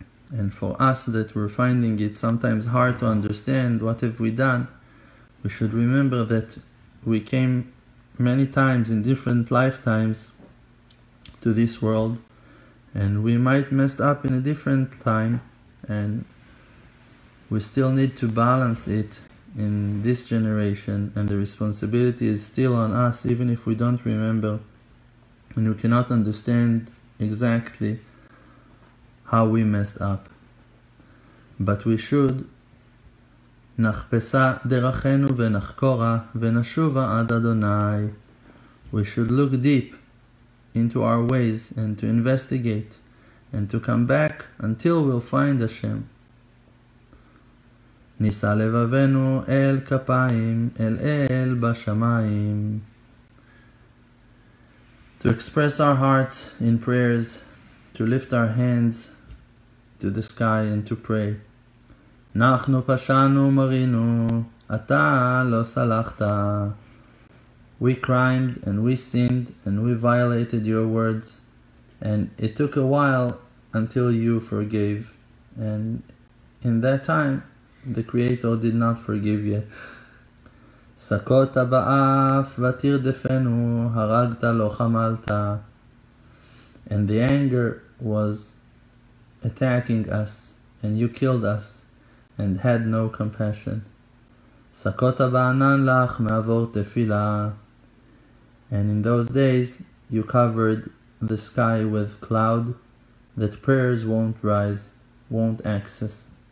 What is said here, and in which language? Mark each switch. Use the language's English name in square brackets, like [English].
[English] And for us that we're finding it sometimes hard to understand what have we done, we should remember that we came many times in different lifetimes to this world, and we might mess up in a different time, and we still need to balance it in this generation, and the responsibility is still on us, even if we don't remember and we cannot understand exactly how we messed up. But we should [Hebrew] נחפשה דרכנו ונחקורה ונשובה עד אדוני. [English] We should look deep into our ways and to investigate and to come back until we'll find Hashem. [Hebrew] נישא לבבנו אל כפיים אל אל בשמיים. [English] To express our hearts in prayers, to lift our hands to the sky and to pray. [Hebrew] אנחנו פשענו מרינו, אתה לא סלחת. [English] We crimed and we sinned and we violated your words, and it took a while until you forgave, and in that time the Creator did not forgive yet. [Hebrew] סקוט באף ותרדפנו, הרגת לא חמלת. [English] And the anger was attacking us and you killed us and had no compassion. [Hebrew] Sakota ba'anan lach me'avor tefila. [English] And in those days you covered the sky with cloud that prayers won't rise, won't access.